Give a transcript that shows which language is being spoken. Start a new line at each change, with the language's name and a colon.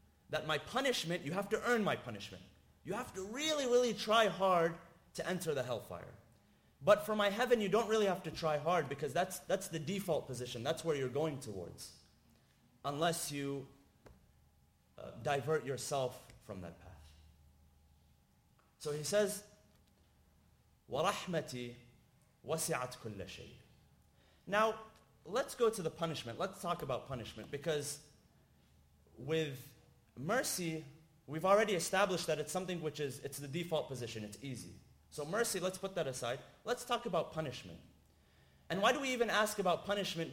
English: That my punishment, you have to earn my punishment. You have to really, really try hard to enter the hellfire. But for my heaven, you don't really have to try hard, because that's the default position. That's where you're going towards. Unless you divert yourself from that path. So he says,
Arabic: وَرَحْمَتِي وَسِعَتْ كُلَّ شَيْءٍ.
English: Now, let's go to the punishment. Let's talk about punishment. Because with mercy, we've already established that it's something which is, it's the default position, it's easy. So mercy, let's put that aside. Let's talk about punishment. And why do we even ask about punishment?